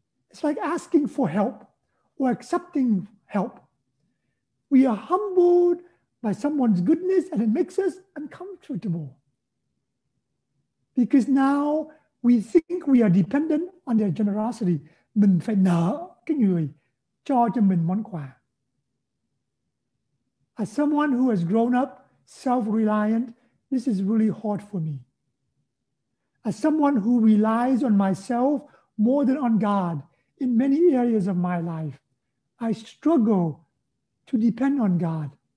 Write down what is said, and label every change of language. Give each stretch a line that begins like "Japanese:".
English: It's like asking for help or accepting help. We are humbled by someone's goodness and it makes us uncomfortable. Because now we think we are dependent on their generosity.
Vietnamese: Mình phải nợ cái người cho mình món quà.
English: As someone who has grown up self-reliant, this is really hard for me. As someone who relies on myself more than on God in many areas of my life, I struggle to depend on God.